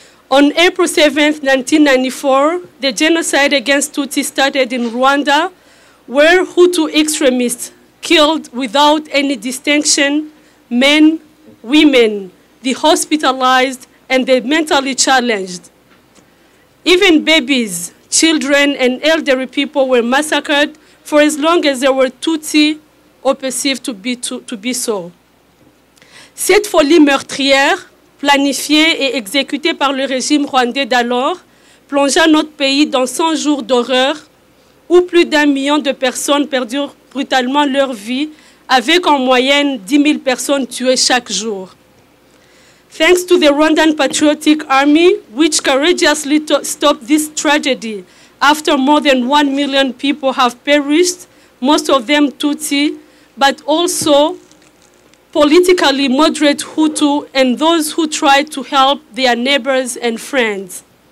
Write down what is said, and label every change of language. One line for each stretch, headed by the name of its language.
English: On April 7, 1994, the genocide against Tutsi started in Rwanda, where Hutu extremists killed without any distinction men, women, the hospitalized, and the mentally challenged. Even babies, children, and elderly people were massacred for as long as they were Tutsi or perceived to be so.
French: Cette folie meurtrière, planifiée et exécutée par le régime rwandais d'alors, plongea notre pays dans 100 jours d'horreur où plus d'un million de personnes perdirent brutalement leur vie, avec en moyenne 10 000 personnes tuées chaque jour.
English: Thanks to the Rwandan Patriotic Army, which courageously stopped this tragedy after more than 1 million people have perished, most of them Tutsi, but also politically moderate Hutu and those who tried to help their neighbors and friends.